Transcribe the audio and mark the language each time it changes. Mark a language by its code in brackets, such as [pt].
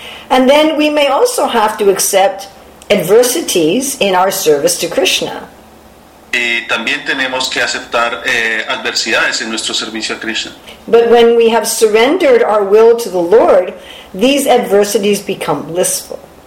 [en] And then we may also have to accept adversities in our service to Krishna. [es] Y también tenemos que aceptar adversidades en nuestro servicio a Krishna. [en] But when we have surrendered our will to the Lord, these adversities become blissful.